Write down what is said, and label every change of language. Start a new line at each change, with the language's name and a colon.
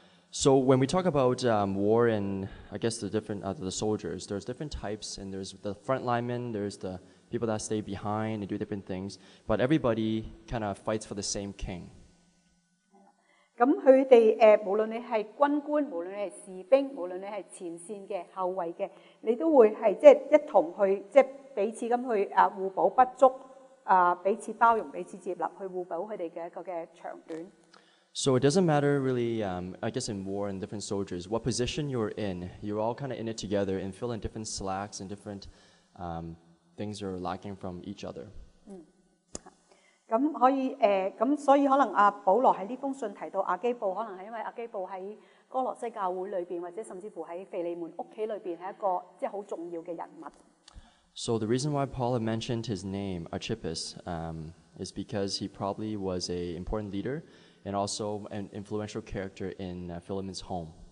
English: So when we talk about war and I guess the different the soldiers, there's different types, and there's the front linemen, there's the people that stay behind and do different things, but everybody kind of fights for the same king.
Cantonese: 咁佢哋无论你系军官，无论你系士兵，无论你系前线嘅后卫嘅，你都会系即系一同去即系彼此咁去互补不足。彼此包容，彼此接纳，去互补佢哋嘅一个嘅长短。
English: So it doesn't matter really, I guess in war and different soldiers, what position you're in, you're all kind of in it together and fill in different slacks and different things you're lacking from each other.
Cantonese: 咁可以咁所以可能阿保罗喺呢封信提到阿基布，可能系因为阿基布喺哥罗西教会里边，或者甚至乎喺腓利门屋企里边，系一个即系好重要嘅人物。
English: So the reason why Paul had mentioned his name, Archippus, is because he probably was an important leader and also an influential character in Philemon's home.